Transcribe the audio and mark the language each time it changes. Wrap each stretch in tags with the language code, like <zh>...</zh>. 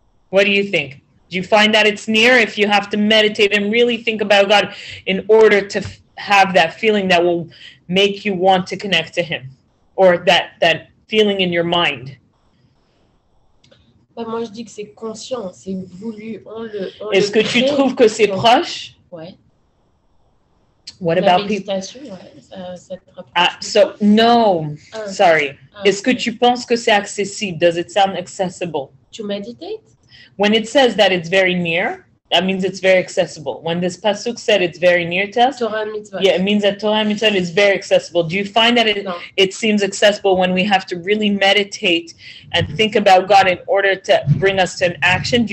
<en>What do you think? Do you find that it's near if you have to meditate and really think about God in order to have that feeling that will make you want to connect to Him, or that feeling in your mind?</en> <fr>Bah, moi, je dis que c'est conscient, c'est voulu. Est-ce que tu trouves que c'est proche? Ouais.</fr> <en>What</en> <fr>la</fr> <en>about people?</en> <fr>Ouais,</fr> <en>sorry.</en> <fr>Est-ce que tu penses que c'est accessible?</fr> <en>Does it sound accessible? To meditate? When it says that it's very near, that means it's very accessible. When this pasuk said it's very near to us,</en> <he>Torah mitzvah.</he> <en>Yeah, it means that Torah mitzvah is very accessible. Do you find that it seems accessible when we have to really meditate and think about God in order to bring us to an action?</en>